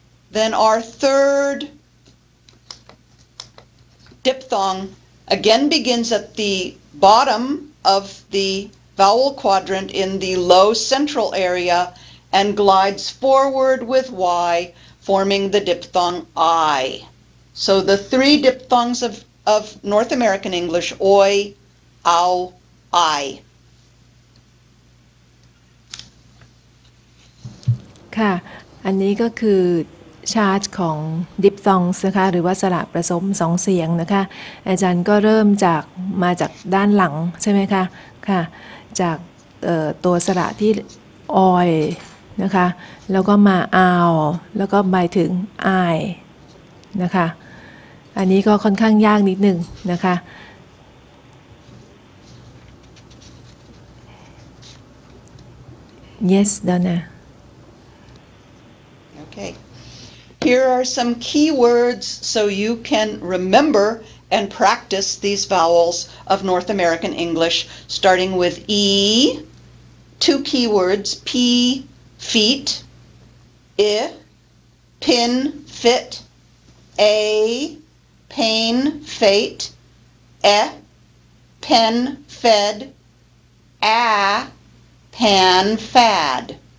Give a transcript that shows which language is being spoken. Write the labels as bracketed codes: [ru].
[en] Then our third diphthong again begins at the bottom of the vowel quadrant in the low central area and glides forward with y forming the diphthong I. So the three diphthongs of North American English, oi, au, I. [th] ค่ะอันนี้ก็คือชาร์จของดิปทองส์นะคะหรือว่าสระผสมสองเสียงนะคะอาจารย์ก็เริ่มจากมาจากด้านหลังใช่ไหมคะค่ะจากตัวสระที่ออยนะคะแล้วก็มาอาวแล้วก็ไปถึงไอนะคะอันนี้ก็ค่อนข้างยากนิดนึงนะคะ [en] Yes Donna Okay Here are some key words so you can remember and practice these vowels of North American English, starting with E, two key words, P, feet, I, pin, fit, A, pain, fate, E, pen, fed, A, pan, fad.